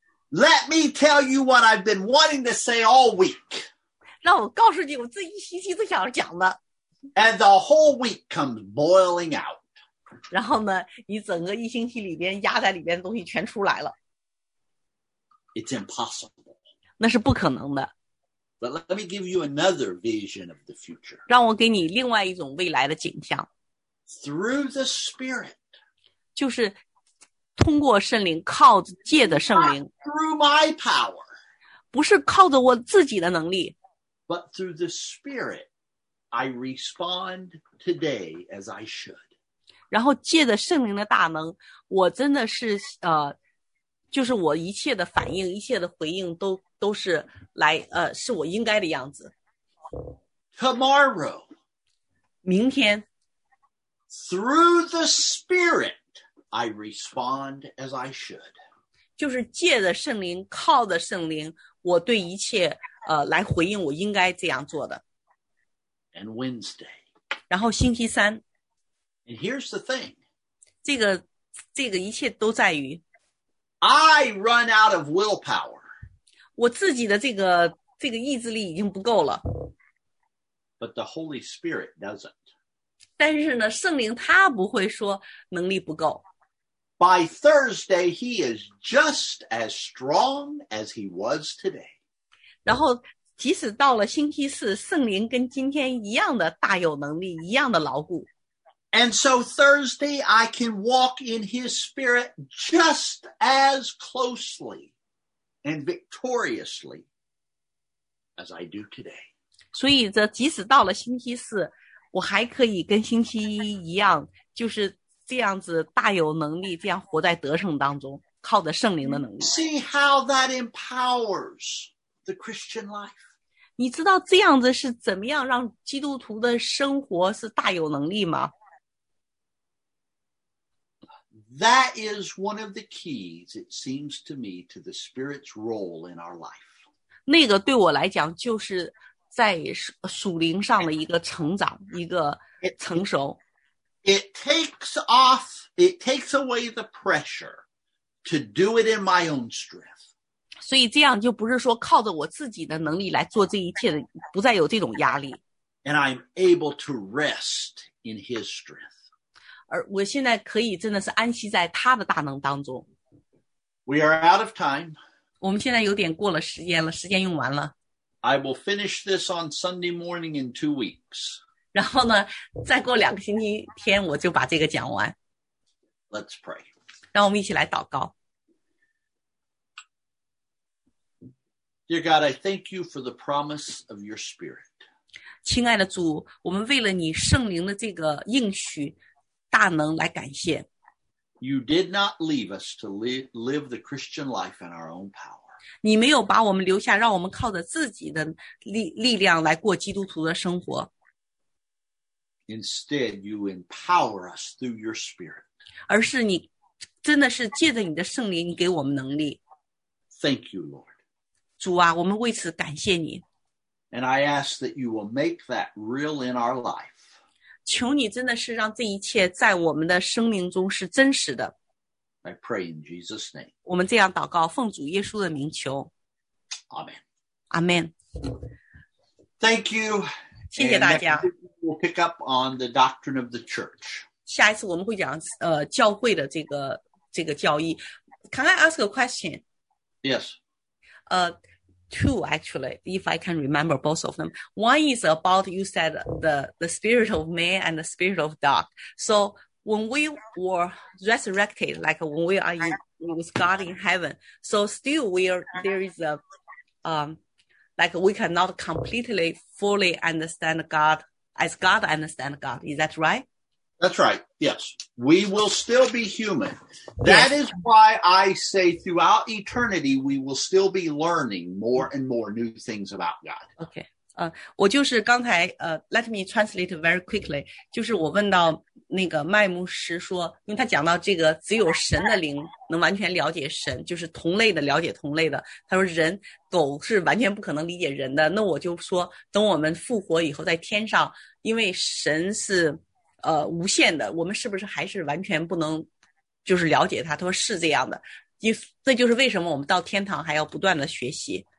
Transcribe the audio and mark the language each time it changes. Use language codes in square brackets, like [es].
[en] Let me tell you what I've been wanting to say all week. [zh] 让我告诉你我这一星期都想讲的。 [en] And the whole week comes boiling out. [zh] 然后呢你整个一星期里边压在里边的东西全出来了。 [en] It's impossible. [zh] 那是不可能的。 [en] But let me give you another vision of the future. [zh] 让我给你另外一种未来的景象。 [en] Through the Spirit. [zh] 就是通过圣灵，靠着借着圣灵。 [en] Not through my power. [zh] 不是靠着我自己的能力。 [en] But through the Spirit, I respond today as I should. [zh] 然后借着圣灵的大能，我真的是就是我一切的反应，一切的回应都是来是我应该的样子。 [en] Tomorrow, [zh] 明天 [en] through the Spirit, I respond as I should. [zh] 就是借着圣灵，靠着圣灵，我对一切来回应我应该这样做的。 [en] And Wednesday, [zh] 然后星期三。 [en] And here's the thing. [zh] 这个一切都在于。 [en] I run out of willpower. [zh] 我自己的这个意志力已经不够了。 [en] But the Holy Spirit doesn't. [zh] 但是呢，圣灵他不会说能力不够。 [en] By Thursday, he is just as strong as he was today. [zh] 然后即使到了星期四，圣灵跟今天一样的大有能力，一样的牢固。 [en] And so Thursday, I can walk in his spirit just as closely. And victoriously, as I do today. [zh] 所以这即使到了星期四，我还可以跟星期一一样，就是这样子大有能力，这样活在得胜当中，靠着圣灵的能力。 [en] See how that empowers the Christian life. [zh] 你知道这样子是怎么样让基督徒的生活是大有能力吗？ [en] That is one of the keys, it seems to me, to the Spirit's role in our life. [zh] 那个对我来讲就是在属灵上的一个成长，一个成熟。 [en] It takes away the pressure to do it in my own strength. [zh] 所以这样就不是说靠着我自己的能力来做这一切的，不再有这种压力。 [en] And I'm able to rest in his strength. [zh] 而我现在可以真的是安息在他的大能当中。 [en] We are out of time. [zh] 我们现在有点过了时间了，时间用完了。 [en] I will finish this on Sunday morning in 2 weeks. [zh] 然后呢，再过两个星期天我就把这个讲完。 [en] Let's pray. [zh] 让我们一起来祷告。 [en] Dear God, I thank you for the promise of your Spirit. [zh] 亲爱的主，我们为了你圣灵的这个应许大能来感谢。 [en] You did not leave us to live the Christian life in our own power. [zh] 你没有把我们留下，让我们靠着自己的力量来过基督徒的生活。 [en] Instead, you empower us through your spirit. [zh] 而是你真的是借着你的圣灵，你给我们能力。 [en] Thank you, Lord. [zh] 主啊，我们为此感谢你。 [en] And I ask that you will make that real in our life. [zh] 求你真的是让这一切在我们的生命中是真实的。 [en] I pray in Jesus' name. [zh] 我们这样祷告，奉主耶稣的名求。 [en] Amen. Amen. Thank you. [zh] 谢谢大家。 [en] We'll pick up on the doctrine of the church. [zh] 下一次我们会讲教会的这个教义。 [en] Can I ask a question? Yes. Two, actually, if I can remember both of them. One is about, you said, the spirit of man and the spirit of dog. So when we were resurrected, like when we are with God in heaven, so still there is we cannot completely, fully understand God as God understand God. Is that right? That's right. Yes. We will still be human. That is why I say throughout eternity, we will still be learning more and more new things about God. Okay. [zh] 我就是刚才 [en] let me translate very quickly. [zh] 就是我问到那个麦牧师说，因为他讲到这个只有神的灵能完全了解神，就是同类的了解同类的。他说人狗是完全不可能理解人的。那我就说等我们复活以后在天上，因为神是无限的，我们是不是还是完全不能就是了解他？他说是这样的，这就是为什么我们到天堂还要不断的学习。